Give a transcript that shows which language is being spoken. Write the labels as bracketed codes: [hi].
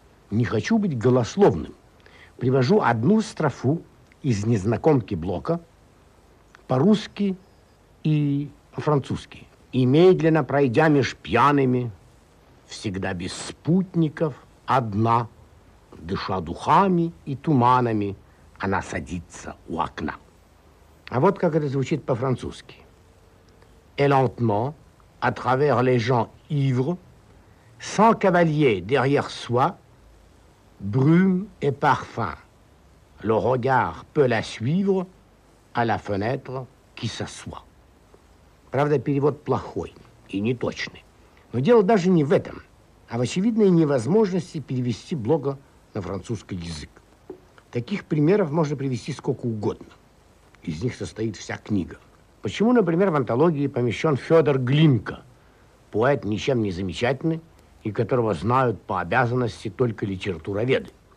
[ru] Не хочу быть голословным. Привожу одну строфу из «Незнакомки Блока», по-русски и по-французски. И медленно пройдя меж пьяными, всегда без спутников, одна, дыша духами и туманами, она садится у окна. А вот как это звучит по-французски. [fr] Et lentement, à travers les gens ivres, sans cavalier derrière soi, brume et parfum. Le regard peut la suivre à la fenêtre qui s'assoit. [ru] Правда, перевод плохой и неточный. Но дело даже не в этом, а в очевидной невозможности перевести блога на французский язык. Таких примеров можно привести сколько угодно. Из них состоит вся книга. Почему, например, в антологии помещен Федор Глинка, поэт, ничем не замечательный, и которого знают по обязанности только литературоведы?